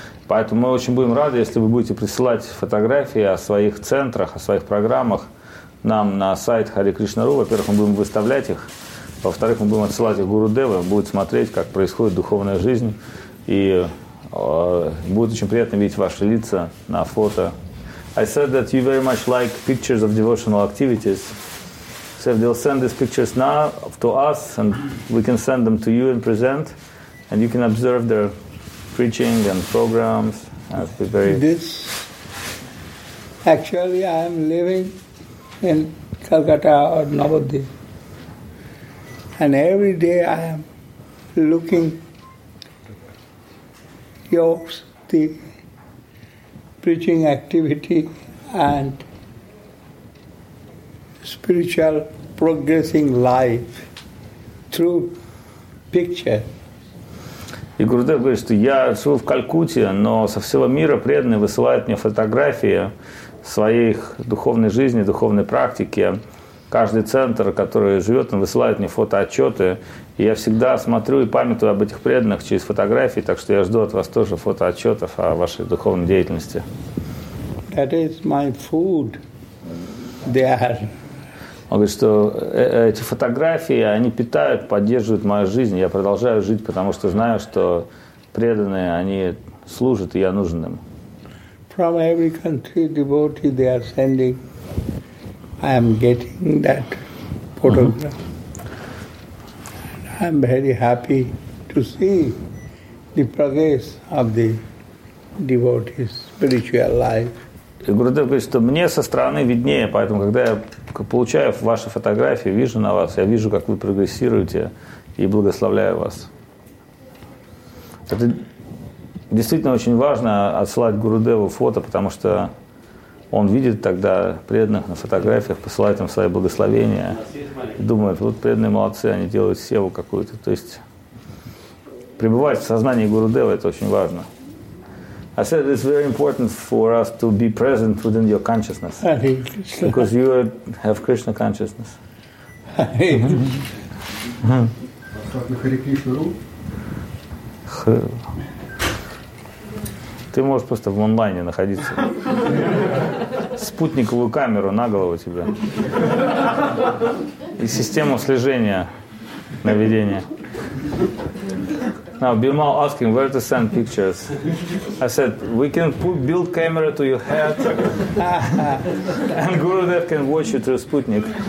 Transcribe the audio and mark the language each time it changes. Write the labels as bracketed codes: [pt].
[ru] Поэтому мы очень будем рады, если вы будете присылать фотографии о своих центрах, о своих программах нам на сайт Hare Krishna.ru. Во-первых, мы будем выставлять их. Во-вторых, мы будем отсылать их Гурудеву. Он будет смотреть, как происходит духовная жизнь. И будет очень приятно видеть ваши лица на фото. [en] I said that you very much like pictures of devotional activities. So they'll send these pictures now to us, and we can send them to you and present, and you can observe their preaching and programs. This, actually, I am living in Calcutta or Navadvip, and every day I am looking your the preaching activity and spiritual progressing life through picture. [ru] И Гурудев говорит, что я живу в Калькутте, но со всего мира преданные высылают мне фотографии своей духовной жизни, духовной практики. Каждый центр, который живет, он высылает мне фотоотчеты. И я всегда смотрю и памятую об этих преданных через фотографии, так что я жду от вас тоже фотоотчетов о вашей духовной деятельности. [en] That is my food there. [ru] Он говорит, что эти фотографии, они питают, поддерживают мою жизнь. Я продолжаю жить, потому что знаю, что преданные, они служат, и я нужен им. [en] From every country devotee they are sending, I am getting that photograph. I am very happy to see the progress of the devotee's spiritual life. [ru] И Гурудев говорит, что мне со стороны виднее, поэтому, когда я получаю ваши фотографии, вижу на вас, я вижу, как вы прогрессируете, и благословляю вас. Это действительно очень важно, отсылать Гурудеву фото, потому что он видит тогда преданных на фотографиях, посылает им свои благословения, думает, вот преданные молодцы, они делают севу какую-то. То есть пребывать в сознании Гурудева – это очень важно. [en] I said it's very important for us to be present within your consciousness. Hare Krishna. Because you have Krishna consciousness. [ru] Ты можешь просто в онлайне находиться. Спутниковую камеру на голову тебе. И систему слежения наведения. [en] Now, Bimal asking where to send pictures. I said, we can put build camera to your head and Gurudev can watch you through Sputnik.